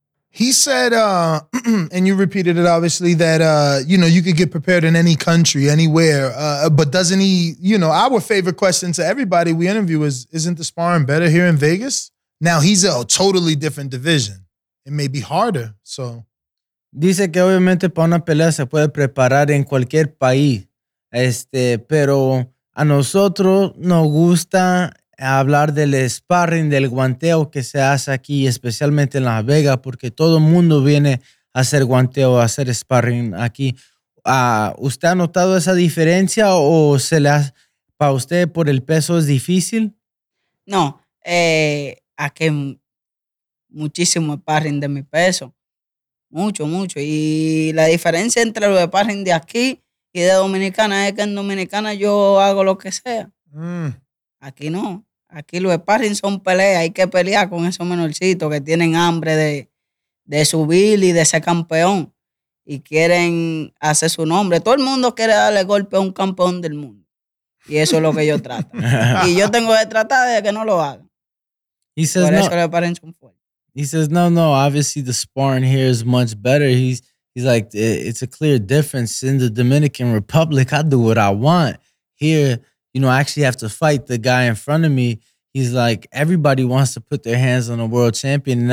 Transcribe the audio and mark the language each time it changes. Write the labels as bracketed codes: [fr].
[en] He said, and you repeated it, obviously, that, you know, you could get prepared in any country, anywhere. But doesn't he, you know, our favorite question to everybody we interview is, isn't the sparring better here in Vegas? Now, he's a totally different division. It may be harder, so. [es] Dice que obviamente para una pelea se puede preparar en cualquier país. Pero a nosotros nos gusta hablar del sparring, del guanteo que se hace aquí, especialmente en Las Vegas, porque todo el mundo viene a hacer guanteo, a hacer sparring aquí. ¿Usted ha notado esa diferencia o se le hace, para usted por el peso es difícil? No, aquí hay muchísimo sparring de mi peso, mucho, mucho. Y la diferencia entre los sparring de aquí y de Dominicana es que en Dominicana yo hago lo que sea. Aquí no. Aquí los sparring son peleas. Hay que pelear con esos menorcitos que tienen hambre de subir y de ser campeón y quieren hacer su nombre. Todo el mundo quiere darle golpe a un campeón del mundo. Y eso es lo que yo trato. Y yo tengo que tratar de que no lo hagan. Por eso los sparring son fuertes. [en] He says, no, obviously the sparring here is much better. He's like, it's a clear difference. In the Dominican Republic, I do what I want. Here, you know, I actually have to fight the guy in front of me. He's like, everybody wants to put their hands on a world champion.